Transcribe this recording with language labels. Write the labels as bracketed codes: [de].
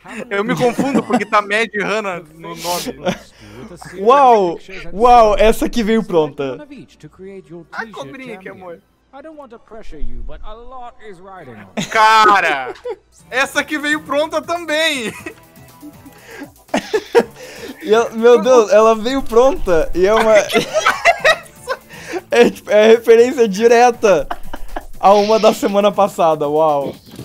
[pt] Eu me confundo porque tá Mad Hanna no nome. Uau! Uau, essa aqui veio pronta. A cobrinha, que amor. [en] I don't want to pressure you, but a lot is riding on. [pt] Cara! Essa aqui veio pronta também! E ela, meu Deus, ela veio pronta e é uma. É referência direta a uma da semana passada, uau!